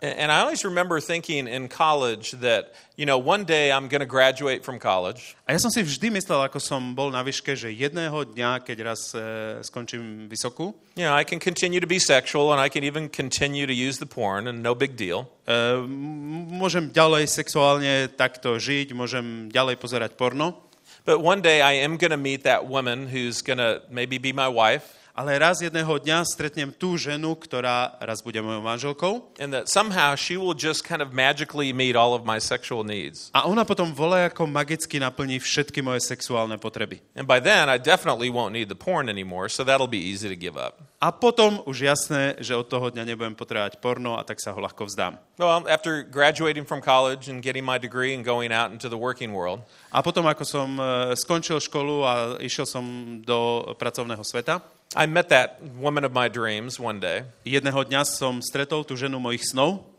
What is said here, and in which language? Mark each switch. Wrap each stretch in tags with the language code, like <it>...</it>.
<en>And I always remember thinking in college that, you know, one day I'm going to graduate from college.</en> <sk>A ja som si vždy myslel, ako som bol na výške, že jedného dňa, keď raz skončím vysokú.</sk> <en>Yeah, I can continue to be sexual and I can even continue to use the porn and no big deal.</en> <sk>Môžem ďalej sexuálne takto žiť, môžem ďalej pozerať porno.</sk> <en>But one day I am going to meet that woman who's going to maybe be my wife.</en> <sk>Ale raz jedného dňa stretnem tú ženu, ktorá raz bude mojou manželkou.</sk> <en>And that somehow she will just kind of magically meet all of my sexual needs.</en> <sk>A ona potom voľajako magicky naplní všetky moje sexuálne potreby.</sk> <en>And by then I definitely won't need the porn anymore, so that'll be easy to give up.</en> <sk>A potom už jasné, že od toho dňa nebudem potrebovať porno a tak sa ho ľahko vzdám.</sk> <en>Well, after graduating from college and getting my degree and going out into the working world.</en> <sk>A potom ako som skončil školu a išiel som do pracovného sveta.</sk> <en>I met that woman of my dreams one day.</en> <sk>Jedného dňa som stretol tú ženu mojich snov.</sk>